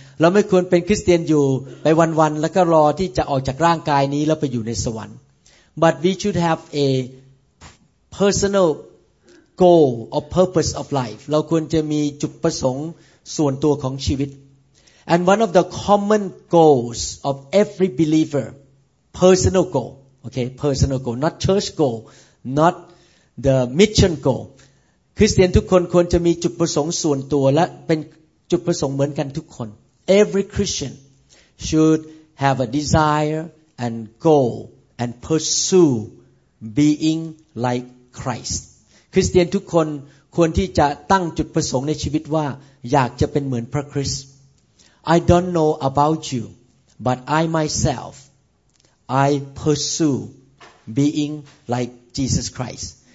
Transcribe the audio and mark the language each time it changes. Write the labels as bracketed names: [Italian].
[Thai] เราไม่ควรเป็นคริสเตียนอยู่ไปวันๆแล้วก็รอที่จะออกจากร่างกายนี้แล้วไปอยู่ในสวรรค์ [English] But we should have a personal goal or purpose of life. [Thai] เราควรจะมีจุดประสงค์ส่วนตัวของชีวิต [English] And one of the common goals of every believer, personal goal. Okay, personal goal, not church goal, not the mission goal. [Thai] คริสเตียนทุกคนควรจะมีจุดประสงค์ส่วนตัวและเป็นจุดประสงค์เหมือนกันทุกคน [English] Every Christian should have a desire and goal and pursue being like Christ. [Thai] คริสเตียนทุกคนควรที่จะตั้งจุดประสงค์ในชีวิตว่าอยากจะเป็นเหมือนพระคริสต์ [English] I don't know about you, but I myself, I pursue being like Jesus Christ.